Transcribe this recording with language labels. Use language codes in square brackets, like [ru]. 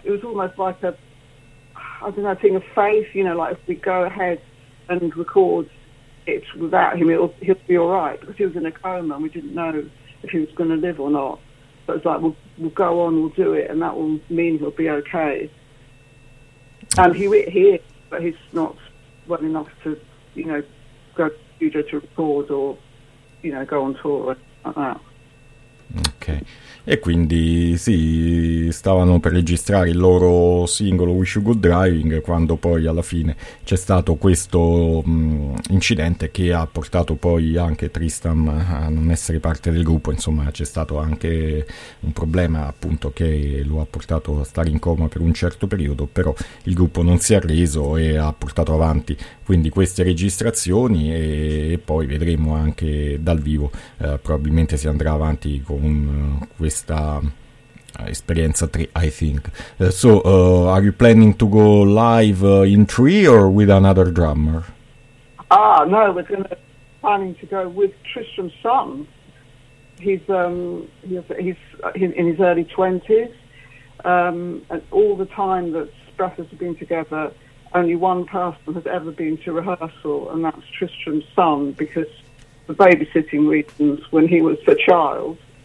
[en] It was almost like a thing of faith, you know, like if we go ahead and record it without him, he'll be all right, because he was in a coma and we didn't know if he was going to live or not. But it's like, we'll go on, we'll do it, and that will mean he'll be okay. And he is, but he's not well enough to, you know, go to the studio to record or, you know, go on tour or anything like that. Okay. [it] E quindi sì, stavano per registrare il loro singolo Wish You Good Driving quando poi alla fine c'è stato questo incidente che ha portato poi anche Tristan a non essere parte del gruppo, insomma c'è stato anche un problema appunto che lo ha portato a stare in coma per un certo periodo, però il gruppo non si è arreso e ha portato avanti quindi queste registrazioni e poi vedremo anche dal vivo, probabilmente si andrà avanti con questa esperienza 3, [en] I think. So, are you planning to go live in 3 or with another drummer? Ah, no, we're planning to go with Tristram's son. He's in his early 20s. And all the time that Spratters have been together, only one person has ever been to rehearsal, and that's Tristram's son, because for babysitting reasons, when he was a child.